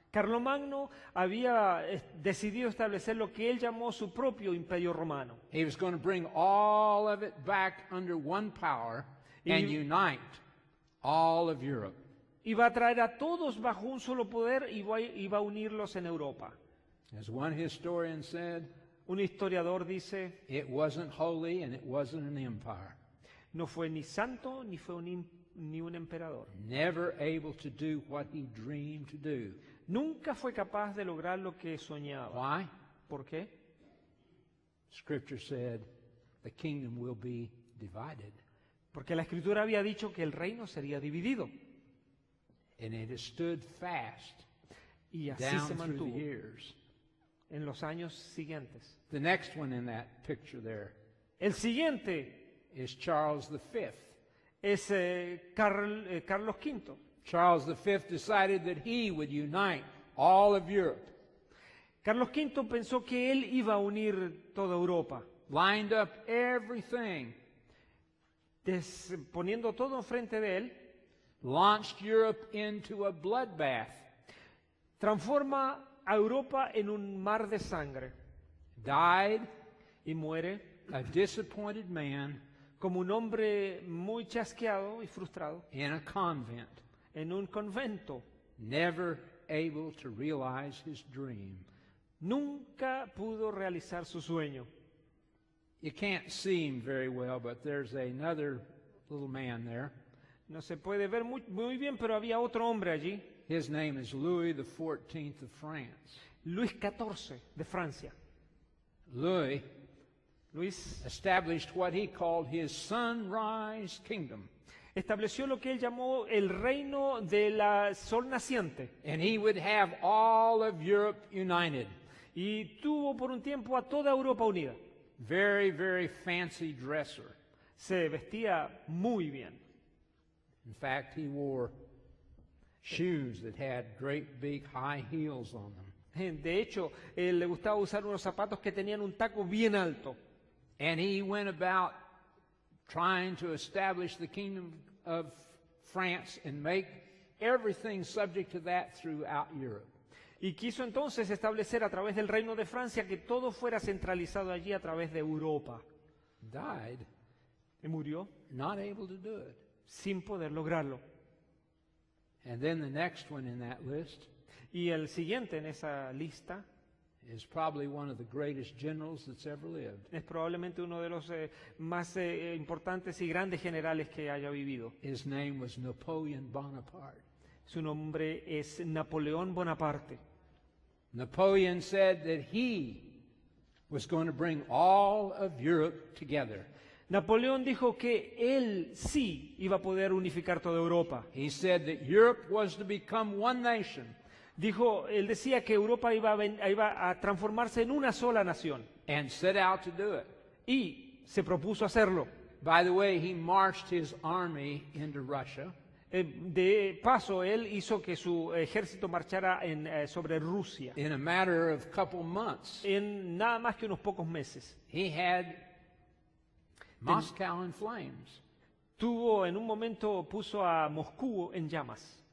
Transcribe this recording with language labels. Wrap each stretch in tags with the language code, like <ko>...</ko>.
<es>Carlomagno había decidido establecer lo que él llamó su propio Imperio Romano.</es> <en>He was going to bring all of it back under one power and unite all of Europe.</en> <es>Iba a traer a todos bajo un solo poder y iba a unirlos en Europa.</es> <en>As one historian said,</en> <es>un historiador dice,</es> <en>it wasn't holy and it wasn't an empire.</en> <es>No fue ni santo ni fue ni un emperador.</es> <en>Never able to do what he dreamed to do.</en> <es>Nunca fue capaz de lograr lo que soñaba.</es> <en>Why?</en> <es>¿Por qué?</es> <en>Scripture said the kingdom will be divided.</en> <es>Porque la escritura había dicho que el reino sería dividido.</es> <en>And it stood fast.</en> <es>Y así</es> <en>down</en> <es>se mantuvo</es> <en>through the years.</en> <es>En los años siguientes.</es> <en>The next one in that picture there.</en> <es>El siguiente</es> <en>is Charles V.</en> <es>Es Carlos V.</es> <en>Charles V decided that he would unite all of Europe.</en> <es>Carlos V pensó que él iba a unir toda Europa.</es> <en>Lined up everything.</en> <es>Poniendo todo frente de él.</es> <en>Launched Europe into a bloodbath.</en> <es>Transforma a Europa en un mar de sangre.</es> <en>Died,</en> <es>y muere,</es> <en>a disappointed man,</en> <es>como un hombre muy chasqueado y frustrado,</es> <en>in a convent,</en> <es>en un convento,</es> <en>never able to realize his dream.</en> <es>Nunca pudo realizar su sueño.</es> <en>You can't see him very well, but there's another little man there.</en> <es>No se puede ver muy bien, pero había otro hombre allí.</es> <en>His name is Louis XIV of France.</en> <es>Luis XIV de Francia.</es> <en>Louis,</en> <es>Luis</es> <en>established what he called his sunrise kingdom.</en> <es>Estableció lo que él llamó el reino de la sol naciente.</es> <en>And he would have all of Europe united.</en> <es>Y tuvo por un tiempo a toda Europa unida.</es> <en>Very, very fancy dresser.</en> <es>Se vestía muy bien.</es> <en>In fact, he wore shoes that had great big high heels on them.</en> <es>De hecho, él le gustaba usar unos zapatos que tenían un taco bien alto.</es> <en>And he went about trying to establish the kingdom of France and make everything subject to that throughout Europe.</en> <es>Y quiso entonces establecer a través del reino de Francia que todo fuera centralizado allí a través de Europa.</es> <en>Died.</en> <es>Y murió.</es> <en>Not able to do it.</en> <es>Sin poder lograrlo.</es> <en>And then the next one in that list.</en> <es>Y el siguiente en esa lista</es> <en>is probably one of the greatest generals that's ever lived.</en> <es>Es probablemente uno de los más importantes y grandes generales que haya vivido.</es> <en>His name was Napoleon Bonaparte.</en> <es>Su nombre es Napoleón Bonaparte.</es> <en>Napoleon said that he was going to bring all of Europe together.</en> <es>Napoleón dijo que él sí iba a poder unificar toda Europa.</es> <en>He said that Europe was to become one nation.</en> <es>Dijo, él decía que Europa iba a transformarse en una sola nación.</es> <en>And set out to do it.</en> <es>Y se propuso hacerlo.</es> <en>By the way, he marched his army into Russia.</en> <es>De paso, él hizo que su ejército marchara sobre Rusia.</es> <en>In a matter of couple months.</en> <es>En nada más que unos pocos meses.</es> <en>He had Moscow in flames.</en> <es>Tuvo en un momento puso a Moscú en llamas.</es>